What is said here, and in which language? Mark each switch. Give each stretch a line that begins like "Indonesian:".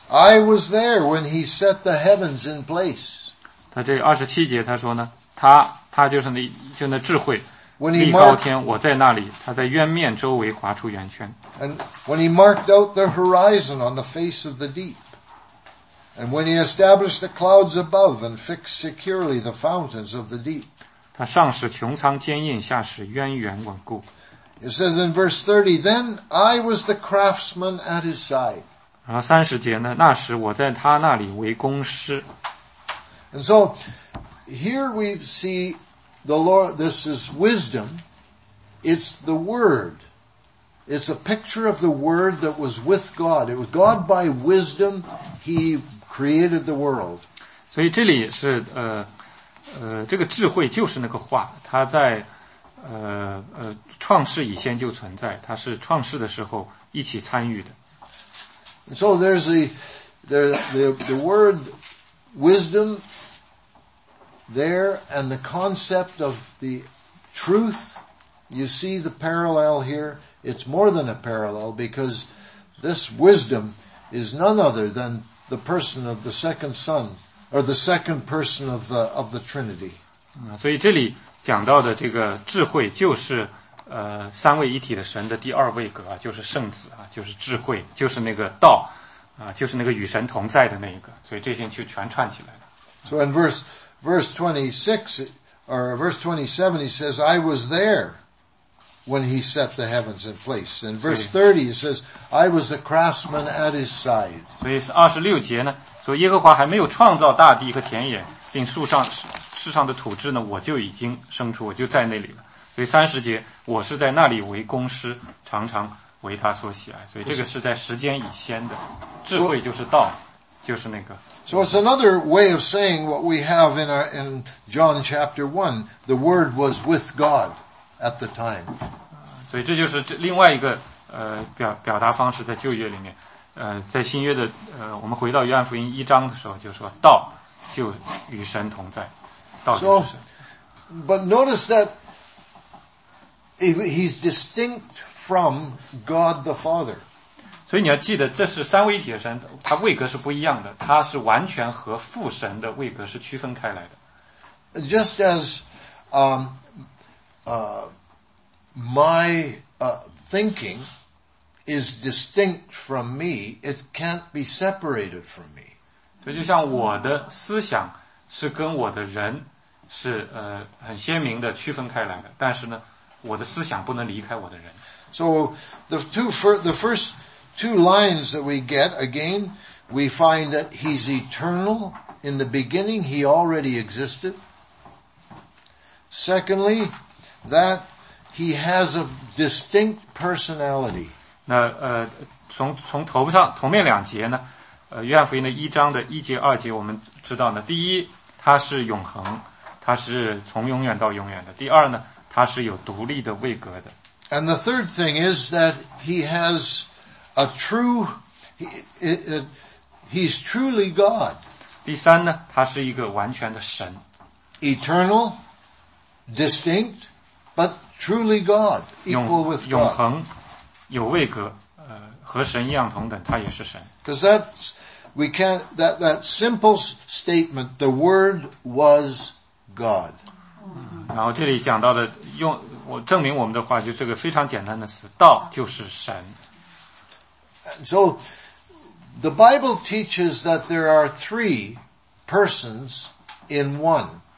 English: I was there when he set the heavens in place.
Chinese: 他这27节他说呢，他就是那智慧，立高天，我在那里，他在渊面周围划出圆圈。
English: And when he marked out the horizon on the face of the deep, and when he established the clouds above and fixed securely the fountains of the deep,
Chinese: 他上使穹苍坚硬，下使渊源稳固。
English: It says in verse 30, Then I was the craftsman at his side.
Chinese: 然后三十节呢，那时我在他那里为工师。
English: And so, here we see the Lord, this is wisdom. It's the word. It's a picture of the word that was with God. It was God by wisdom, he created the world.
Chinese: 所以这里是这个智慧就是那个话，它在创世以前就存在，它是创世的时候一起参与的。
English: And、so there's the word wisdom there and the concept of the truth. You see the parallel here. It's more than a parallel because this wisdom is none other than the person of the second son. Or the second person of the Trinity.
Chinese: 所以这里讲到的这个智慧就是三位一体的神的第二位格，就是圣子，就是智慧，就是那个道，就是那个与神同在的那一个，所以这些就全串起来了。
English: So in verse 26, or verse 27, he says, I was there when he set the heavens in place. In verse 30, he says, I was the craftsman at his side.
Chinese: 所以26节呢，说耶和华还没有创造大地和田野，并树上世上的土质呢，我就已经生出，我就在那里了。所以三十节，我是在那里为工师，常常为他所喜爱。所以这个是在时间以先的智慧，就是道，就是就是那个。
English: So it's another way of saying what we have in our, in John chapter 1. The word was with God at the time.
Chinese: 所以这就是另外一个表达方式在旧约里面。在新约的我们回到约翰福音一章的时候就说道就与神同在。道就是神。
English: But notice that he's distinct from God the Father.
Chinese: 所以你要记得这是三位一体的神他位格是不一样的他是完全和父神的位格是区分开来的。
English: Just as, my, thinking is distinct from me, it can't be separated from me.
Chinese: 所以就像我的思想是跟我的人是很鲜明的区分开来的但是呢我的思想不能离开我的人。
English: So, the first two lines that we get, again, we find that he's eternal. In the beginning, he already existed. Secondly, that he has a distinct personality.
Chinese: 那从头上头面两节呢约翰福音的一章的一节二节我们知道呢第一他是永恒。他是从永远到永远的。第二呢他是有独立的位格的。
English: And the third thing is that he has a true, he's truly God.
Chinese: 第三呢他是一个完全的神。
English: Eternal, distinct, but truly God, equal with God.
Chinese: 永恒有位格和神一样同等他也是神。
English: Because that simple statement, the word was God.
Chinese: 然后这里讲到的用我证明我们的话就是个非常简单的词道就是神。
English: So, the Bible teaches that there are three persons in one.